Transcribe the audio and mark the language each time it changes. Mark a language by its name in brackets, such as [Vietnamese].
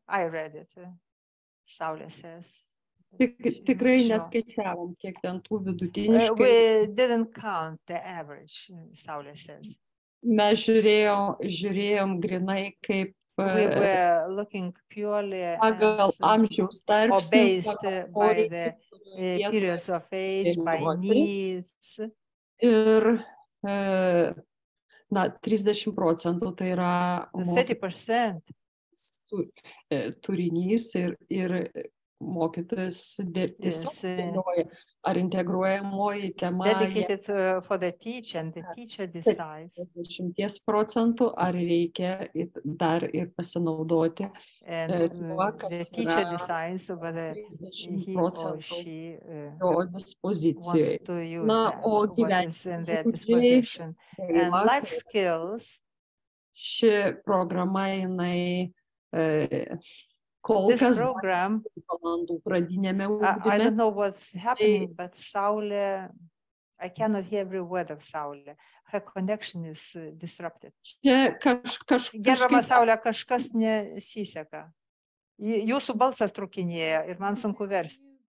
[English] I read it. Saulė says. [Lithuanian] Tikrai neskaičiavom, kiek ten tų vidutiniškai. [English] We didn't count the average, Saulė says. [Lithuanian] Mes žiūrėjom grinai kaip [English] we were looking purely [Lithuanian] pagal amžiaus tarpsnį, [English] or based by the periods of age, by needs. [Lithuanian] Ir na, 30% tai yra [English] 30% [Lithuanian] turinys ir mokytojas dėlioja, ar integruojamoji tema. [English] Dedicated for the teacher, and the teacher decides. [Lithuanian] 10% ar reikia dar ir pasinaudoti tuo, kas [English] the teacher decides whether he or she [Lithuanian] dispozicijoje. Na, o gyventi. [English] And life skills. [Lithuanian] Ši programa, jinai kol [English] this program, [Lithuanian] valandų pradinėme ūkdyme. [English] I don't know what's happening, but Saulė, I cannot hear every word of Saulė. Her connection is disrupted. [Lithuanian] Gerbama Saulė, kažkas nesiseka. Jūsų balsas trukinėja ir man sunku versti.